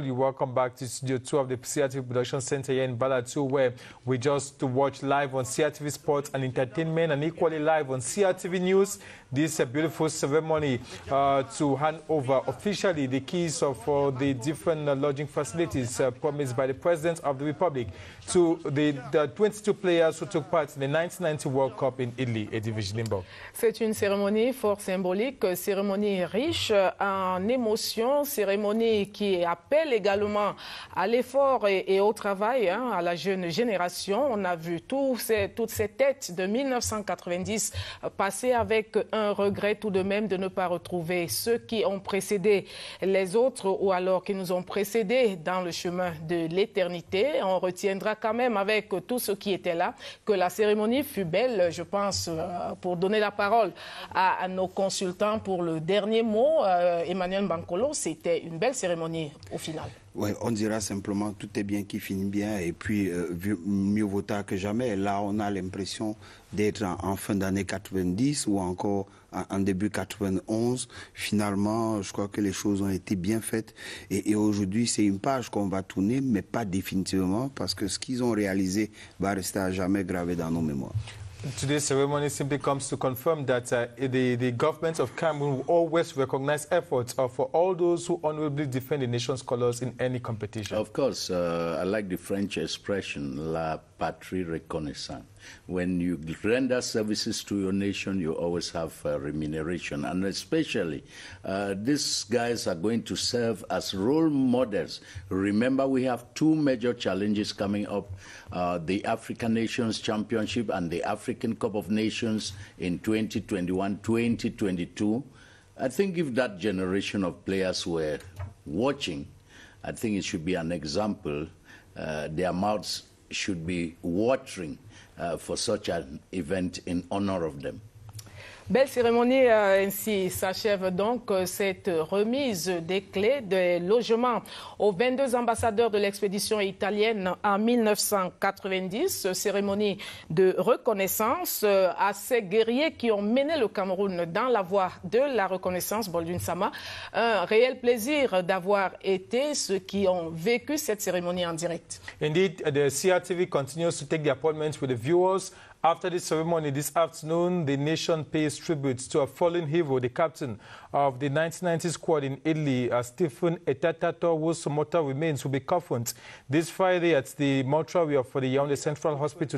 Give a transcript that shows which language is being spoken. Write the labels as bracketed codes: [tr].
[en] You welcome back to Studio 2 of the CRTV Production Center here in Balatu, where we just to watch live on CRTV Sports and Entertainment, and equally live on CRTV News. This is a beautiful ceremony to hand over officially the keys of the different lodging facilities promised by the President of the Republic to the 22 players who took part in the 1990 World Cup in Italy. Edivige Limbo. [fr] C'est une cérémonie fort symbolique, cérémonie riche en émotions, cérémonie qui appelle également à l'effort et au travail, hein, à la jeune génération. On a vu toutes ces têtes de 1990 passer avec un regret tout de même de ne pas retrouver ceux qui ont précédé les autres ou alors qui nous ont précédés dans le chemin de l'éternité. On retiendra quand même avec tous ceux qui étaient là que la cérémonie fut belle, je pense, pour donner la parole à nos consultants pour le dernier mot. Emmanuel Bankolo, c'était une belle cérémonie au final. Oui, on dira simplement tout est bien qui finit bien et puis mieux vaut tard que jamais. Là, on a l'impression d'être en fin d'année 90 ou encore en début 91. Finalement, je crois que les choses ont été bien faites et aujourd'hui, c'est une page qu'on va tourner, mais pas définitivement, parce que ce qu'ils ont réalisé va rester à jamais gravé dans nos mémoires. [en] Today's ceremony simply comes to confirm that the government of Cameroon will always recognize efforts for all those who honorably defend the nation's colors in any competition. Of course, I like the French expression, [fr] la patrie reconnaissante. [en] When you render services to your nation, you always have remuneration. And especially, these guys are going to serve as role models. Remember, we have two major challenges coming up, the African Nations Championship and the African Cup of Nations in 2021-2022. I think if that generation of players were watching, I think it should be an example. Their mouths should be watering for such an event in honor of them. [fr] Belle cérémonie, ainsi s'achève donc cette remise des clés des logements aux 22 ambassadeurs de l'expédition italienne en 1990. Cérémonie de reconnaissance à ces guerriers qui ont mené le Cameroun dans la voie de la reconnaissance, Boldun Sama. Un réel plaisir d'avoir été ceux qui ont vécu cette cérémonie en direct. [en] Indeed, the CRTV continues to take the appointments with the viewers. After the ceremony this afternoon, the nation pays tribute to a fallen hero, the captain of the 1990 squad in Italy, Stephen Etatato, whose mortal remains will be coffined this Friday at the mortuary for the Yaoundé Central Hospital.